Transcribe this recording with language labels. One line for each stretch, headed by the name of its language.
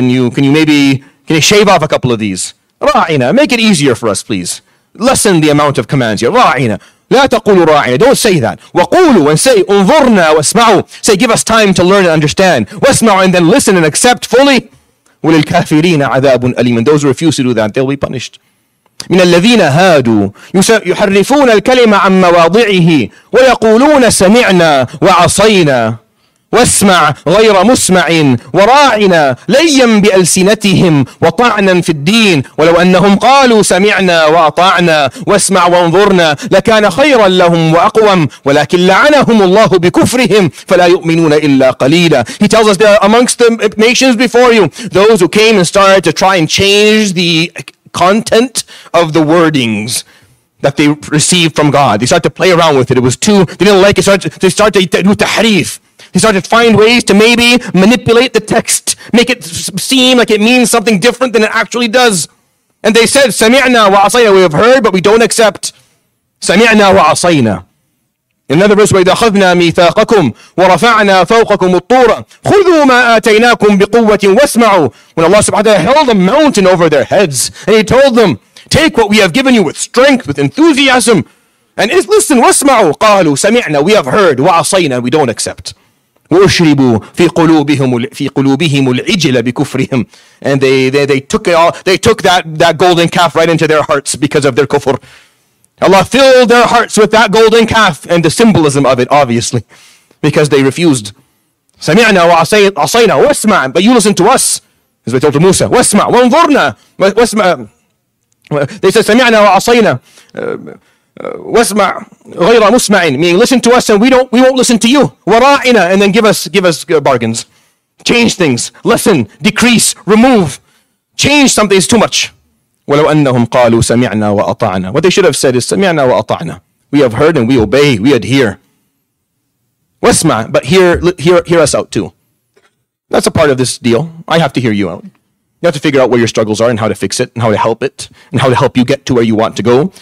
English: Can you shave off a couple of these? Ra'ina, make it easier for us, please. Lessen the amount of commands here.
Arabic: Ra'ina. La taqulu ra'ina.
English: Don't say that.
Arabic: Waqulu,
English: and say,
Arabic: unzurna wasma'u.
English: Say, give us time to learn and understand. Wasma'u, and then listen and accept fully.
Arabic: Walil kafirina adhabun alim.
English: And those who refuse to do that, they'll be punished.
Arabic: من الذين هادوا يحرفون الكلمة عن مواضعه ويقولون سمعنا وعصينا واسمع غير مسمع وراعنا ليا بألسنتهم وطعنا في الدين ولو أنهم قالوا سمعنا وأطعنا واسمع وانظرنا لكان خيرا لهم وأقوم ولكن لعنهم الله بكفرهم فلا يؤمنون إلا قليلا.
English: He tells us there are amongst the nations before you those who came and started to try and change the content of the wordings that they received from God. They started to play around with it. It was too, they didn't like it. They started to do tahrif. He started to find ways to maybe manipulate the text, make it seem like it means something different than it actually does. And they said,
Arabic: سَمِعْنَا وَعَصَيْنَا,
English: we have heard, but we don't accept.
Arabic: سَمِعْنَا وَعَصَيْنَا.
English: Another verse,
Arabic: وَإِذَخَذْنَا مِيثَاقَكُمْ وَرَفَعْنَا فَوْقَكُمْ الطُّورَ خُذُوا مَا آتَيْنَاكُمْ بِقُوَّةٍ وَاسْمَعُوا.
English: When Allah subhanahu wa ta'ala held a mountain over their heads, and he told them, take what we have given you with strength, with enthusiasm, and listen,
Arabic: وَاسْمَعُوا. قَالُوا سَمِعْنَا,
English: we have heard,
Arabic: وَعَصَيْنَا,
English: we don't accept.
Arabic: وَشْرِبُوا فِي قُلُوبِهِمُ الْعِجِلَ بِكُفْرِهِمْ.
English: And they took it all. They took that golden calf right into their hearts because of their kufr. Allah filled their hearts with that golden calf and the symbolism of it, obviously, because they refused.
Arabic: سَمِعْنَا وَعَصَيْنَا وَاسْمَعْ,
English: but you listen to us, as we told to Musa.
Arabic: وَاسْمَعْ وَانْظُرْنَا وَاسْمَعْ.
English: They said
Arabic: سَمِعْنَا وَعَصَيْنَا, واسمع غير مسمعين,
English: meaning listen to us and we won't listen to you.
Arabic: ورائنا,
English: and then give us bargains. Change things, lessen, decrease, remove. Change something is too much.
Arabic: ولو أنهم قالوا سمعنا وأطعنا.
English: What they should have said is
Arabic: سمعنا وأطعنا.
English: We have heard and we obey, we adhere.
Arabic: واسمع,
English: but hear us out too. That's a part of this deal. I have to hear you out. You have to figure out where your struggles are and how to fix it and how to help it and how to help you get to where you want to go.